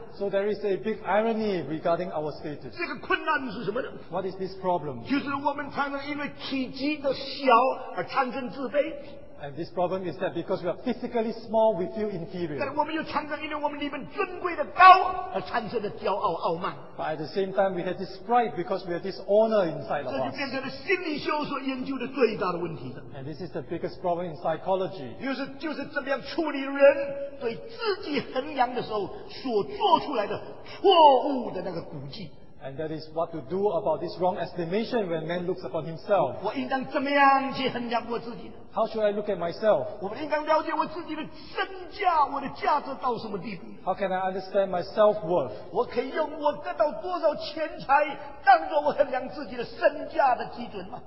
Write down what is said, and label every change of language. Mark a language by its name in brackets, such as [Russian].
[English] So there is a big irony regarding our status. [Chinese] 这个困难是什么呢? [English] What is this problem? [Chinese] 就是我们常常因为体积的小而产生自卑。 [English] And this problem is that because we are physically small, we feel inferior. [Chinese] 但我们又常常因为我们里面尊贵的高而产生的骄傲傲慢。 [English] But at the same time, we have this pride because we have this honor inside of us. [Chinese] 这就变成了心理学所研究的最大的问题。 [English] And this is the biggest problem in psychology. [Chinese] 就是怎么样处理人对自己衡量的时候所做出来的错误的那个估计。 [English] And that is what to do about this wrong estimation when man looks upon himself. [Chinese] 我应当怎么样去衡量我自己? [English] How should I look at myself? [Chinese] 我应该了解我自己的身价，我的价值到什么地步？ [English] How can I understand my self-worth? [Chinese] 我可以用我得到多少钱财当作我衡量自己的身价的基准吗？